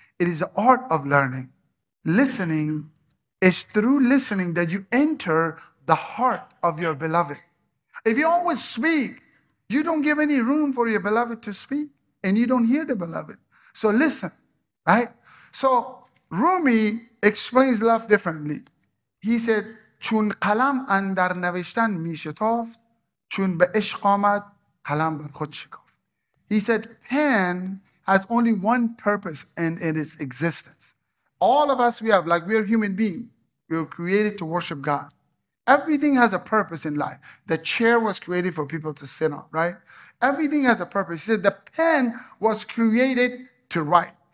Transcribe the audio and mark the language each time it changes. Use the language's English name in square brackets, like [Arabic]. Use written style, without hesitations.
[English] It is the art of learning. Listening is through listening that you enter the heart of your beloved. If you always speak, you don't give any room for your beloved to speak and you don't hear the beloved. So listen, right? So Rumi explains love differently. He said, [Persian] چون قلم اندر نوشتن می شتافت چون به عشق آمد قلم بر خود شکافت. [English] He said, pen has only one purpose in its existence. All of us, we have, like, we are human beings. We were created to worship God. Everything has a purpose in life. The chair was created for people to sit on, right? Everything has a purpose. He said the pen was created to write.